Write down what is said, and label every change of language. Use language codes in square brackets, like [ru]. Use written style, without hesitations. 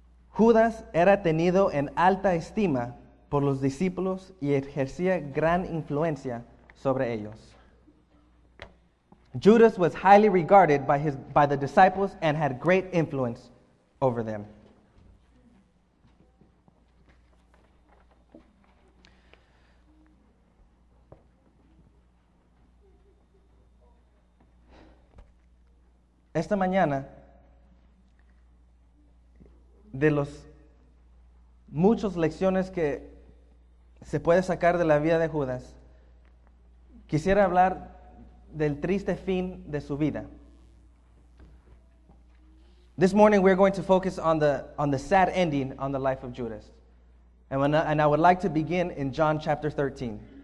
[es] Judas era tenido en alta estima por los discípulos y ejercía gran influencia sobre ellos. [en] Judas was highly regarded by the disciples and had great influence over them. [es] Esta mañana, de los muchas lecciones que se puede sacar de la vida de Judas, quisiera hablar del triste fin de su vida. [en] This morning we're going to focus on the sad ending on the life of Judas. And I would like to begin in John chapter 13.